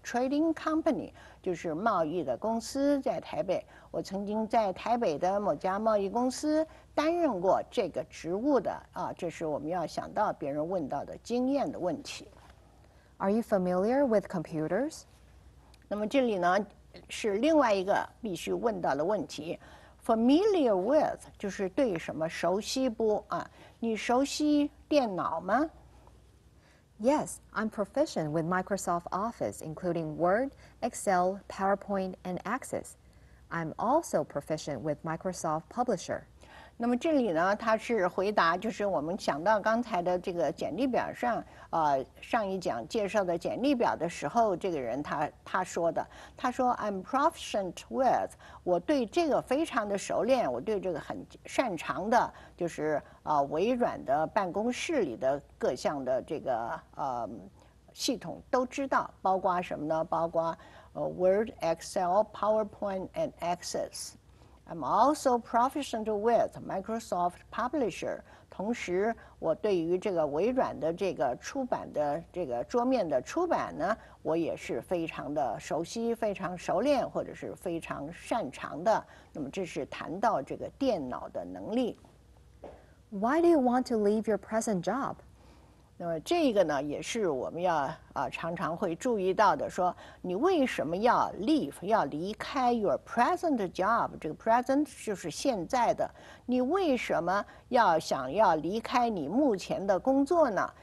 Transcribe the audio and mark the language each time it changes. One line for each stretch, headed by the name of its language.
English: Trading company
Chinese: 就是贸易的公司，在台北。我曾经在台北的某家贸易公司担任过这个职务的啊，这是我们要想到别人问到的经验的问题。
English: Are you familiar with computers?
Chinese: 那么这里呢，是另外一个必须问到的问题。
English: Familiar with
Chinese: 就是对什么熟悉不啊？你熟悉电脑吗？
English: Yes, I'm proficient with Microsoft Office, including Word, Excel, PowerPoint, and Access. I'm also proficient with Microsoft Publisher.
Chinese: 那么这里呢，它是回答，就是我们想到刚才的这个简历表上，上一讲介绍的简历表的时候，这个人他说的，他说
English: I'm proficient with，
Chinese: 我对这个非常的熟练，我对这个很擅长的，就是微软的办公室里的各项的这个系统都知道，包括什么呢？包括Word, Excel, PowerPoint, and Access。
English: I'm also proficient with Microsoft Publisher.
Chinese: 同时我对于这个微软的这个出版的这个桌面的出版呢，我也是非常的熟悉，非常熟练，或者是非常擅长的。那么这是谈到这个电脑的能力。
English: Why do you want to leave your present job?
Chinese: 那么这个呢，也是我们要常常会注意到的，说你为什么要 leave， 要离开
English: your present job，
Chinese: 这个 present 就是现在的，你为什么要想要离开你目前的工作呢？